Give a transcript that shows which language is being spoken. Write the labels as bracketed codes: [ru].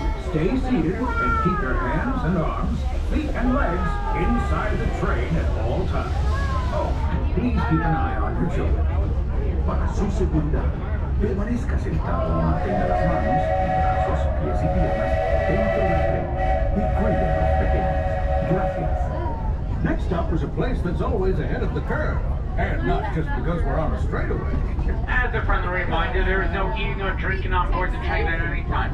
[en] Stay seated and keep your hands and arms, feet and legs inside the train at all times. Oh, please keep an eye on your children. [es] Para su seguridad, permanezca sentado, mantenga las manos, brazos, pies y piernas dentro del tren y cuide a los pequeños. Gracias. [en] Next up is a place that's always ahead of the curve. And not just because we're on a straightaway. As a friendly reminder, there is no eating or drinking on board the train at any time.